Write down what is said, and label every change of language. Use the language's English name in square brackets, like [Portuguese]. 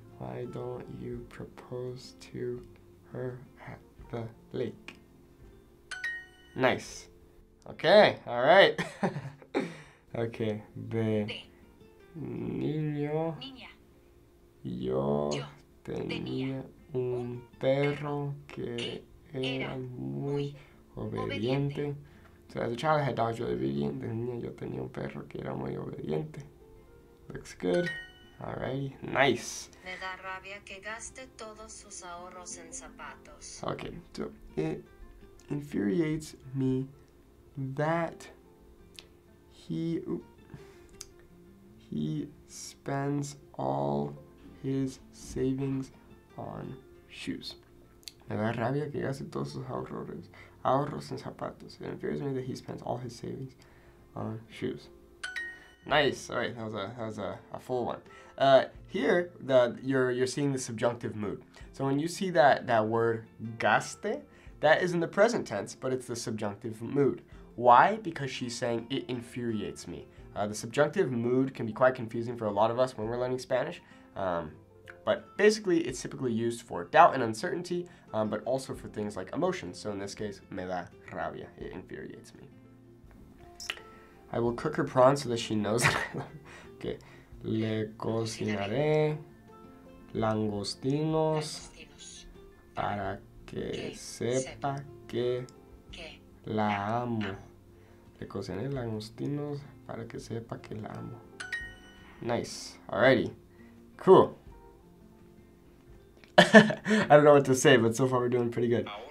[English] Why don't you propose to her at the lake? Nice. Okay, alright. [Spanish] Okay, de niño, yo tenía un perro que era muy obediente. [English] So as a child, I had dogs really obedient. [Spanish] De niño, yo tenía un perro que era muy obediente. [English] Looks good. Alrighty, nice. [Spanish] Me da rabia que gaste todos sus ahorros en zapatos. [English] Okay, so it infuriates me that he spends all his savings on shoes. [Spanish] Me da rabia que gaste todos sus ahorros en zapatos. [English] It infuriates me that he spends all his savings on shoes. Nice. All right, that was a full one. Here, you're seeing the subjunctive mood. So when you see that word gaste, That is in the present tense, but it's the subjunctive mood. Why? Because she's saying, it infuriates me. The subjunctive mood can be quite confusing for a lot of us when we're learning Spanish. But basically, it's typically used for doubt and uncertainty, but also for things like emotions. So in this case, [Spanish] me da rabia, [English] it infuriates me. I will cook her prawns so that she knows that I love her. Okay. [Spanish] Le cocinaré langostinos para que sepa que la amo. Le cocinaré langostinos para que sepa que la amo. [English] Nice. Alrighty. Cool. I don't know what to say, but so far we're doing pretty good.